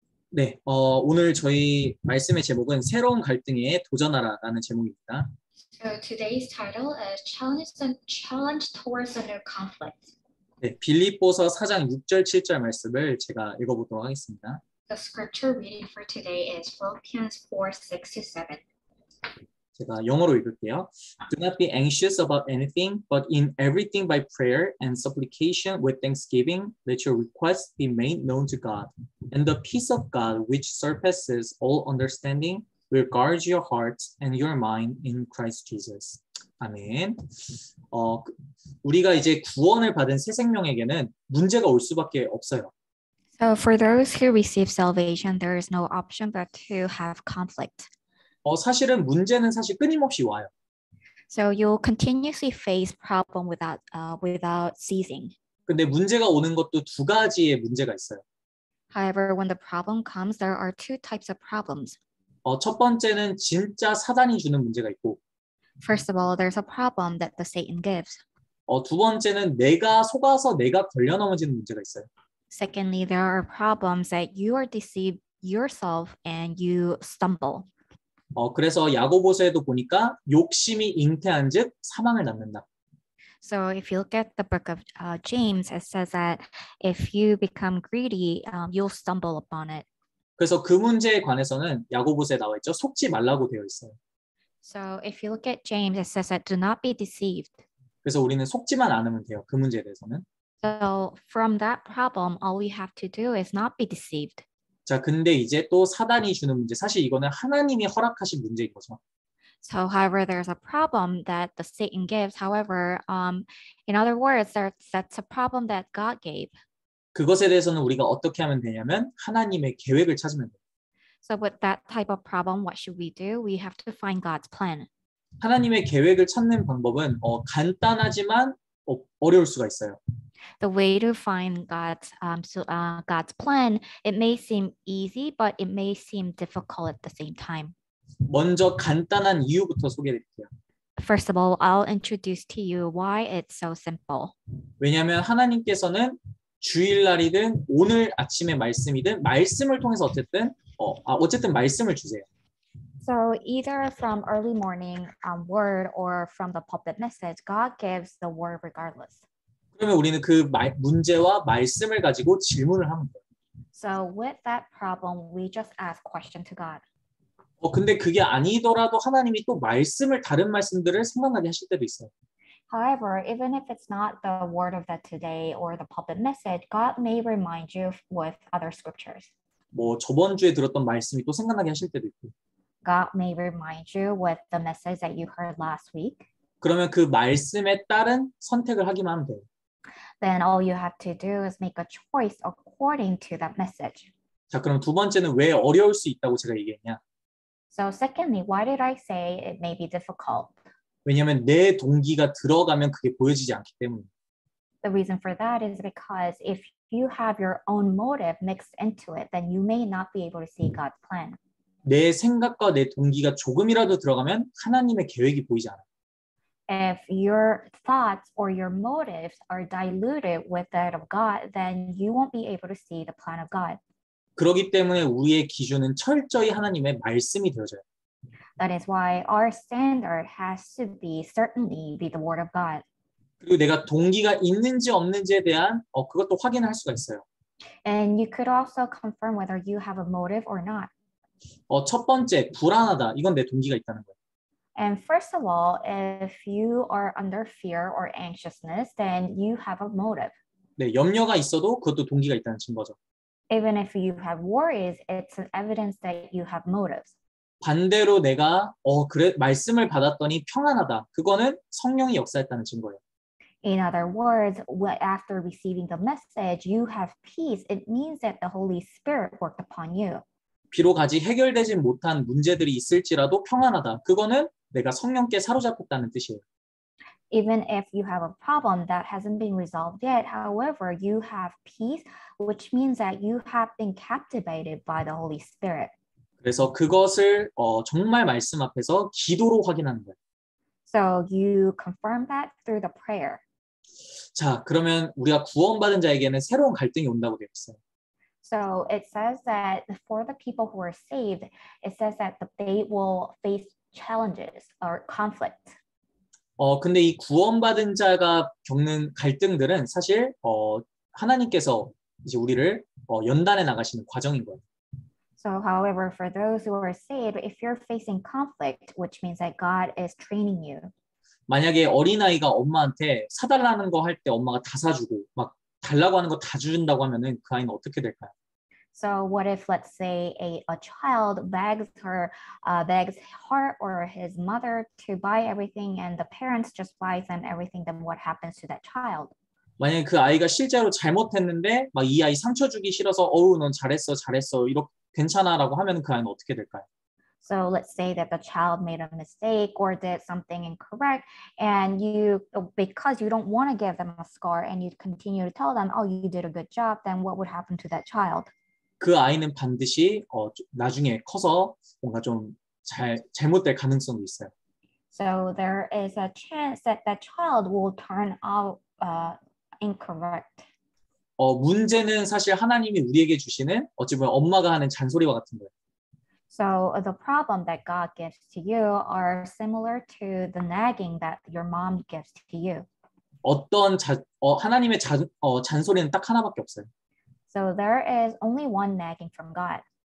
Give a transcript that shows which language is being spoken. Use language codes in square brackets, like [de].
[ko] 네, 오늘 저희 말씀의 제목은 새로운 갈등에 도전하라라는 제목입니다. [en] So today's title is Challenge Towards a New Conflict. [ko] 네, 빌립보서 4장 6절 7절 말씀을 제가 읽어보도록 하겠습니다. [en] The scripture reading for today is Philippians 4, 6 to 7. [ko] 제가 영어로 읽을게요. [en] Do not be anxious about anything, but in everything by prayer and supplication with thanksgiving, let your requests be made known to God. And the peace of God, which surpasses all understanding, will guard your heart and your mind in Christ Jesus. [ko] 아멘. 우리가 이제 구원을 받은 새 생명에게는 문제가 올 수밖에 없어요. [en] So for those who receive salvation, there is no option but to have conflict. [ko] 사실은 문제는 사실 끊임없이 와요. [en] So you'll continuously face problem without ceasing. [ko] 근데 문제가 오는 것도 두 가지의 문제가 있어요. [en] However, when the problem comes, there are two types of problems. [ko] 첫 번째는 진짜 사단이 주는 문제가 있고, [en] First of all, there's a problem that the Satan gives. [ko] 두 번째는 내가 속아서 내가 걸려넘어지는 문제가 있어요. [en] Secondly, there are problems that you are deceived yourself and you stumble. [ko] 그래서 야고보서에도 보니까 욕심이 잉태한즉 사망을 낳는다. [en] So if you look at the book of James, it says that if you become greedy, you'll stumble upon it. [ko] 그래서 그 문제에 관해서는 야고보서에 나와 있죠. 속지 말라고 되어 있어요. [en] So if you look at James, it says that do not be deceived. [ko] 그래서 우리는 속지만 않으면 돼요. 그 문제에 대해서는. [en] So from that problem, all we have to do is not be deceived. [ko] 자, 근데 이제 또 사단이 주는 문제. 사실 이거는 하나님이 허락하신 문제인 거죠. [en] So, however, there's a problem that the Satan gives. However, in other words, that's a problem that God gave. [ko] 그것에 대해서는 우리가 어떻게 하면 되냐면 하나님의 계획을 찾으면 돼요. [en] So, with that type of problem, what should we do? We have to find God's plan. [ko] 하나님의 계획을 찾는 방법은 간단하지만 어려울 수가 있어요. [en] The way to find God's plan, it may seem easy, but it may seem difficult at the same time. [ko] 먼저 간단한 이유부터 소개해 드릴게요. [en] First of all, I'll introduce to you why it's so simple. [ko] 왜냐하면 하나님께서는 주일날이든 오늘 아침의 말씀이든 말씀을 통해서 어쨌든 말씀을 주세요. [en] So either from early morning word or from the pulpit message, God gives the word regardless. [ko] 그러면 우리는 문제와 말씀을 가지고 질문을 하는 거예요. [en] So with that problem, we just ask question to God. [ko] 근데 그게 아니더라도 하나님이 또 말씀을 다른 말씀들을 생각나게 하실 때도 있어요. [en] However, even if it's not the word of the today or the pulpit message, God may remind you with other scriptures. [ko] 뭐 저번 주에 들었던 말씀이 또 생각나게 하실 때도 있고. [en] God may remind you with the message that you heard last week. [ko] 그러면 그 말씀에 따른 선택을 하기만 하면 돼요. [en] Then all you have to do is make a choice according to that message. [ko] 자, 그럼 두 번째는 왜 어려울 수 있다고 제가 얘기했냐? [en] So secondly, why did I say it may be difficult? [ko] 왜냐면 내 동기가 들어가면 그게 보여지지 않기 때문에. [en] The reason for that is because if you have your own motive mixed into it, then you may not be able to see God's plan. [ko] 내 생각과 내 동기가 조금이라도 들어가면 하나님의 계획이 보이지 않아. [en] If your thoughts or your motives are diluted with that of God, then you won't be able to see the plan of God. [ko] 그러기 때문에 우리의 기준은 철저히 하나님의 말씀이 되어져요. [en] That is why our standard has to be certainly be the word of God. [ko] 그리고 내가 동기가 있는지 없는지에 대한 그것도 확인할 수가 있어요. [en] And you could also confirm whether you have a motive or not. [ko] 첫 번째, 불안하다. 이건 내 동기가 있다는 거예요. [en] And first of all, if you are under fear or anxiousness, then you have a motive. [ko] 네, 염려가 있어도 그것도 동기가 있다는 증거죠. [en] Even if you have worries, it's an evidence that you have motives. [ko] 반대로 내가 그래 말씀을 받았더니 평안하다. 그거는 성령이 역사했다는 증거예요. [en] In other words, after receiving the message, you have peace. It means that the Holy Spirit worked upon you. [ko] 비록 아직 해결되지 못한 문제들이 있을지라도 평안하다. 그거는 내가 성령께 사로잡혔다는 뜻이에요. [en] Even if you have a problem that hasn't been resolved yet, however, you have peace, which means that you have been captivated by the Holy Spirit. [ko] 그래서 그것을 정말 말씀 앞에서 기도로 확인하는 거예요. [en] So you confirm that through the prayer. [ko] 자, 그러면 우리가 구원받은 자에게는 새로운 갈등이 온다고 되어 있어요. [en] So it says that for the people who are saved, it says that they will face challenges or conflict. [ko] 근데 이 구원받은 자가 겪는 갈등들은 사실 하나님께서 이제 우리를 연단해 나가시는 과정인 거예요. [en] So however, for those who are saved, if you're facing conflict, which means that God is training you. [ko] 만약에 어린아이가 엄마한테 사달라는 거 할 때 엄마가 다 사주고 막 달라고 하는 거 다 주준다고 하면은 그 아이는 어떻게 될까요? [en] So what if, let's say, a child begs her, begs her or his mother to buy everything and the parents just buy them everything, then what happens to that child? [ko] 만약에 그 아이가 실제로 잘못했는데 막 이 아이 상처 주기 싫어서 어우 넌 잘했어 잘했어 이렇게 괜찮아 라고 하면 그 아이는 어떻게 될까요? [en] So let's say that the child made a mistake or did something incorrect and you, because you don't want to give them a scar and you continue to tell them, oh, you did a good job, then what would happen to that child? [ko] 그 아이는 반드시 나중에 커서 뭔가 좀 잘못될 가능성도 있어요. [en] So there is a chance that that child will turn out incorrect. [ko] 문제는 사실 하나님이 우리에게 주시는 어찌 보면 엄마가 하는 잔소리와 같은 거예요. [en] So the problem that God gives to you are similar to the nagging that your mom gives to you. [ko] 어떤 하나님의 잔소리는 딱 하나밖에 없어요. So there is only one nagging from God.